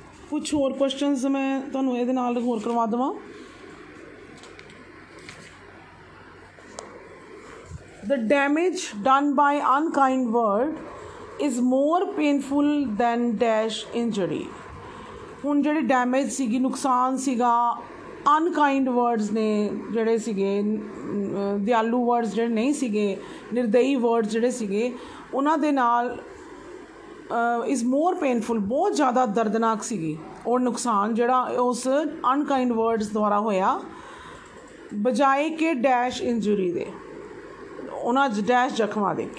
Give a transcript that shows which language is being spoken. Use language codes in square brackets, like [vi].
[pa] ਕੁਛ ਹੋਰ ਕੁਸ਼ਚਨਸ ਮੈਂ ਤੁਹਾਨੂੰ ਇਹਦੇ ਨਾਲ ਹੋਰ ਕਰਵਾ ਦੇਵਾਂ. [en] The damage done by unkind word is more painful than dash injury. [pa] ਹੁਣ ਜਿਹੜੀ ਡੈਮੇਜ ਸੀਗੀ, ਨੁਕਸਾਨ ਸੀਗਾ, ਅਨਕਾਈਂਡ ਵਰਡਸ ਨੇ ਜਿਹੜੇ ਸੀਗੇ, ਦਿਆਲੂ ਵਰਡਸ ਜਿਹੜੇ ਨਹੀਂ ਸੀਗੇ, ਨਿਰਦਈ ਵਰਡਸ ਜਿਹੜੇ ਸੀਗੇ, ਉਹਨਾਂ ਦੇ ਨਾਲ [en] is more painful, [pa] ਬਹੁਤ ਜ਼ਿਆਦਾ ਦਰਦਨਾਕ ਸੀਗੀ ਉਹ ਨੁਕਸਾਨ ਜਿਹੜਾ ਉਸ ਅਨਕਾਈਂਡ ਵਰਡਸ ਦੁਆਰਾ ਹੋਇਆ, ਬਜਾਏ ਕਿ ਡੈਸ਼ ਇੰਜਰੀ ਦੇ, ਉਹਨਾਂ ਡੈਸ਼ ਜ਼ਖਮਾਂ ਦੇ.